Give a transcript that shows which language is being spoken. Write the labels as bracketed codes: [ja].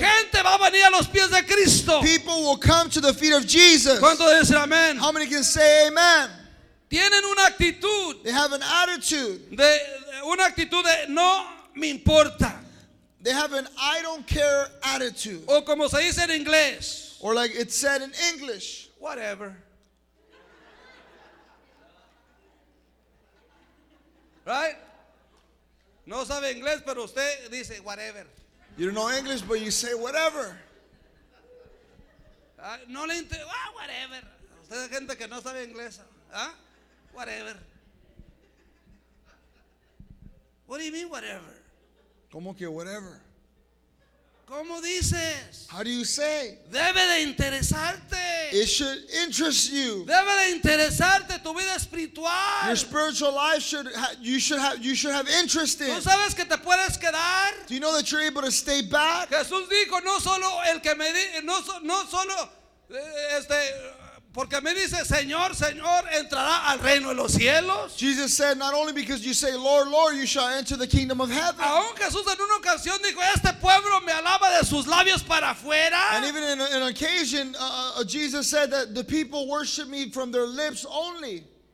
[es] gente va a venir a los pies de Cristo. [en] People will come to the feet of Jesus. [es] ¿Cuánto dice amén? [en] How many can say amen? [es] Tienen una actitud, [en] they have an attitude, [es] de, una actitud de no me importa. [en] They have an I don't care attitude. [es] O como se dice en inglés, [en] or like it's said in English, whatever. Right? [es] No sabe inglés, pero usted dice whatever. [en] You don't know English, but you say whatever. [es] No le interesa. Ah, whatever. Usted es gente que no sabe inglés. [en] Ah, whatever. What do you mean, whatever? [es] ¿Cómo que whatever? ¿Cómo dices? [en] How do you say? [es] Debe de interesarte. [en] It should interest you. [es] Debe de interesarte tu vida espiritual. [en] Your spiritual life should have interest in. [es] ¿No sabes que te puedes quedar? [en] Do you know that you're able to stay back? [es] Jesús dijo, no solo el que me di, no, no solo este porque me dice Señor, Señor, entrará al reino de los cielos. [en] Jesus said, not only because you say Lord, Lord, you shall enter the kingdom of heaven. [es] Aún Jesús en una ocasión dijo, este pueblo me alaba de sus labios para afuera. [en] And even in an occasion, Jesus said that the people worship me from their lips only.